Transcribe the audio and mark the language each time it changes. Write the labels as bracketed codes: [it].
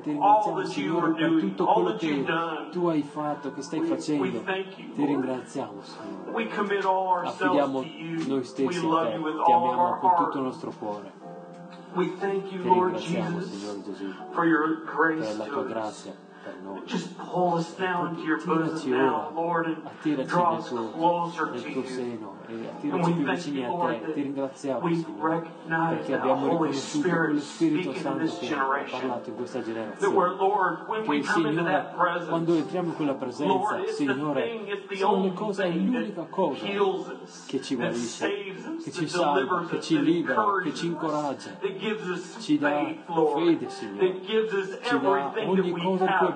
[it] Ti ringraziamo, Signore, per tutto quello che tu hai fatto, che stai facendo. Ti ringraziamo, Signore. Affidiamo noi stessi a te. Ti amiamo con tutto il nostro cuore. Ti ringraziamo, Signore Gesù, per la tua grazia. [en] Just pull us down to your bosom now, Lord, and draw us closer to you. [it] E we più vicini a te, ti ringraziamo, Signore, perché abbiamo riconosciuto quello Spirito Santo che ha parlato in questa generazione. Che, Signore, quando entriamo in quella presenza, Signore, sono le cose, è l'unica cosa che ci guarisce, che ci salva, che ci libera, che ci incoraggia, ci dà fede, Signore, ci dà ogni cosa che